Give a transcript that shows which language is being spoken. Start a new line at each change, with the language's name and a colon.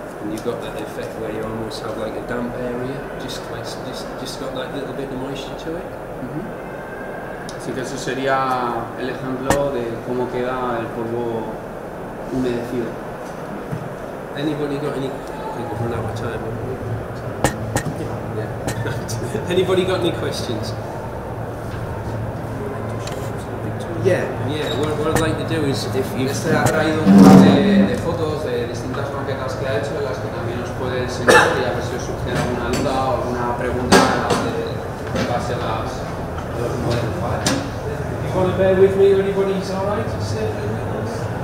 English: You've got that effect where you almost have like a damp area, just got like a little bit of moisture to it.
Spanish: Así que eso sería el ejemplo de cómo queda el polvo humedecido.
English: Anybody got any? We've run out of time. Yeah. Anybody got any questions? Yeah. What I'd like to do is if you.
Spanish: Este ha traído un par de fotos de distintas maquetas que ha hecho, en las que también os puede enseñar y a ver si os surge alguna duda o alguna pregunta de base a los modelos.
English: If you want to bear with me, anybody's all right to sit with us.